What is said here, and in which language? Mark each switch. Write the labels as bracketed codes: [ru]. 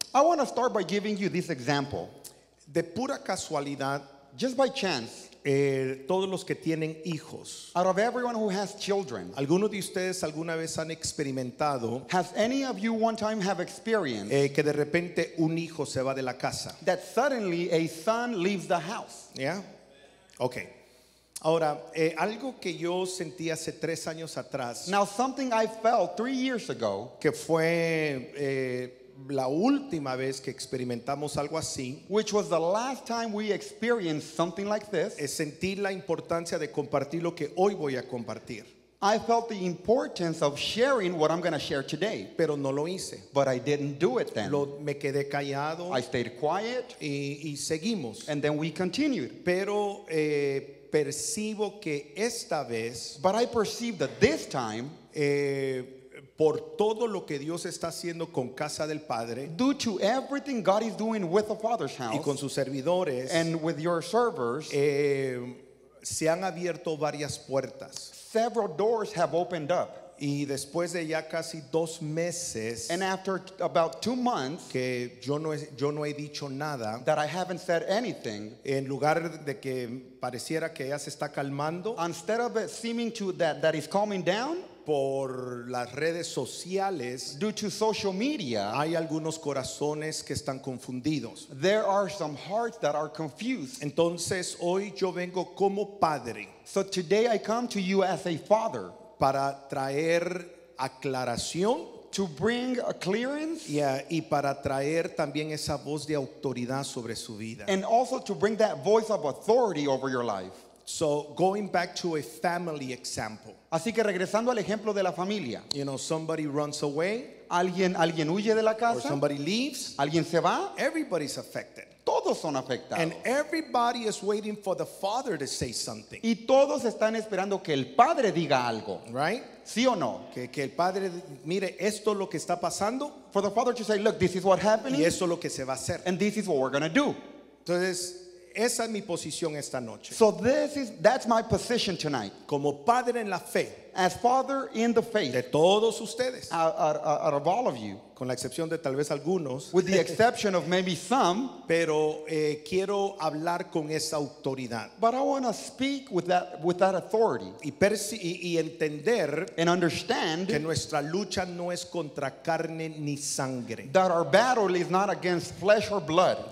[en] I want to start by giving you this example. [es] De pura casualidad, [en] just by chance, [es] todos los que tienen hijos, [en] out of everyone who has children, [es] ¿alguno de ustedes alguna vez han experimentado, [en] has any of you one time have experienced, [es] que de repente un hijo se va de la casa? [en] That suddenly a son leaves the house. Yeah? Okay. [es] Ahora, algo que yo sentí hace 3 años atrás, [en] now something I felt 3 years ago, [es] que fue la última vez que experimentamos algo así, [en] which was the last time we experienced something like this, [es] es sentir la importancia de compartir lo que hoy voy a compartir. [en] I felt the importance of sharing what I'm going to share today. [es] Pero no lo hice. [en] But I didn't do it then. [es] Me quedé callado. [en] I stayed quiet. [es] Y seguimos. [en] And then we continued. [es] Pero percibo que esta vez, [en] but I perceived that this time, [es] por todo lo que Dios está haciendo con Casa del Padre, [en] due to everything God is doing with the Father's house, [es] y con sus servidores, [en] and with your servers, [es] se han abierto varias puertas. [en] Several doors have opened up. [es] Y después de ya casi 2 meses, [en] and after about 2 months, [es] que yo no he dicho nada, [en] that I haven't said anything, [es] en lugar de que pareciera que ya se está calmando, [en] instead of it seeming to that is calming down, [es] por las redes sociales, [en] due to social media, [es] hay algunos corazones que están confundidos. [en] There are some hearts that are confused. [es] Entonces hoy yo vengo como padre. [en] So today I come to you as a father. [es] Para traer aclaración. [en] To bring a clearance. [es] Yeah, y para traer también esa voz de autoridad sobre su vida. [en] And also to bring that voice of authority over your life. So going back to a family example. [es] Así que regresando al ejemplo de la familia. [en] You know, somebody runs away. [es] Alguien huye de la casa. [en] Or somebody leaves. [es] Alguien se va. [en] Everybody's affected. [es] Todos son afectados. [en] And everybody is waiting for the father to say something. [es] Y todos están esperando que el padre diga algo. [en] Right? [es] ¿Sí o no? Que el padre mire esto lo que está pasando. [en] For the father to say, look, this is what happened. [es] Y eso lo que se va a hacer. [en] And this is what we're going to do. [es] Entonces, esa es mi posición esta noche. [en] So that's my position tonight. [es] Como padre en la fe. [en] As father in the faith. [es] De todos ustedes. [en] Out of all of you. [es] Con la excepción de tal vez algunos. [en] With the exception of maybe some. [es] Pero quiero hablar con esa autoridad. [en] But I want to speak with that authority. [es] Y entender. [en] And understand. [es] Que nuestra lucha no es contra carne ni sangre. [en] That our battle is not against flesh or blood.